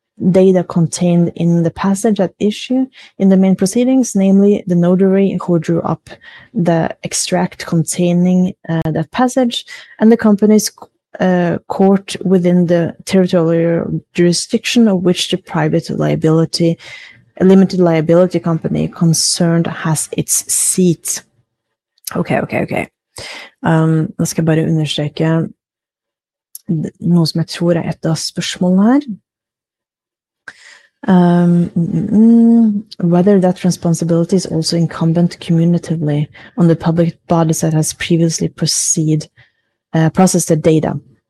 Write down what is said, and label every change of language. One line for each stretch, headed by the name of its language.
English: data contained in the passage at issue in the main proceedings, namely the notary who drew up the extract containing that passage and the company's court within the territorial jurisdiction of which the private liability, limited liability company concerned has its seat. Okay.
Norwegian: Da skal jeg bare understreke noe som jeg tror et av spørsmålene her.
English: Whether that responsibility is also incumbent communitively on the public bodies that has previously processed the data.